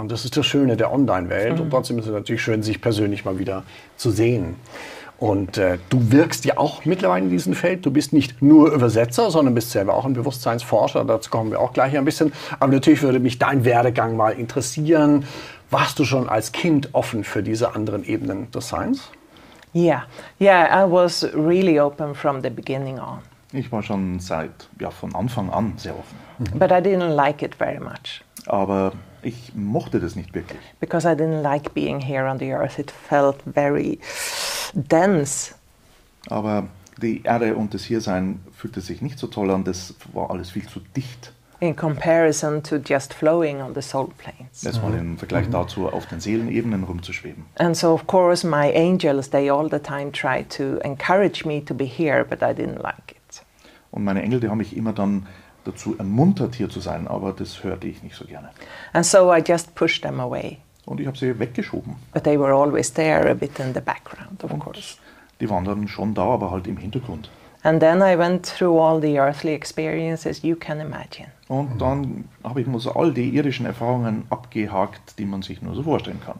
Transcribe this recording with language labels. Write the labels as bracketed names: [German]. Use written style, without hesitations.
[German] Und das ist das Schöne der Online-Welt. Mhm. Und trotzdem ist es natürlich schön, sich persönlich mal wieder zu sehen. Und du wirkst ja auch mittlerweile in diesem Feld. Du bist nicht nur Übersetzer, sondern bist selber auch ein Bewusstseinsforscher. Dazu kommen wir auch gleich ein bisschen. Aber natürlich würde mich dein Werdegang mal interessieren. Warst du schon als Kind offen für diese anderen Ebenen des Seins? [English] Yeah, yeah, I was really open from the beginning on. [German] Ich war schon seit, ja, von Anfang an sehr offen. [English] But I didn't like it very much. [German] Aber ich mochte das nicht wirklich. [English] Because I didn't like being here on the earth. It felt very dense. [German] Aber die Erde und das Hiersein fühlte sich nicht so toll an. Das war alles viel zu dicht. [English] In comparison to just flowing on the soul planes. [German] Das war im Vergleich dazu, auf den Seelenebenen rumzuschweben. [English] And so of course my angels, they all the time tried to encourage me to be here, but I didn't like it. [German] Und meine Engel, die haben mich immer dann dazu ermuntert, hier zu sein, aber das hörte ich nicht so gerne. [English] And so I just pushed them away. [German] Und ich habe sie weggeschoben. [English] But they were always there, a bit in the background, of course. [German] Die waren dann schon da, aber halt im Hintergrund. [English] And then I went through all the earthly experiences you can imagine. [German] Und dann habe ich mir all die irdischen Erfahrungen abgehakt, die man sich nur so vorstellen kann.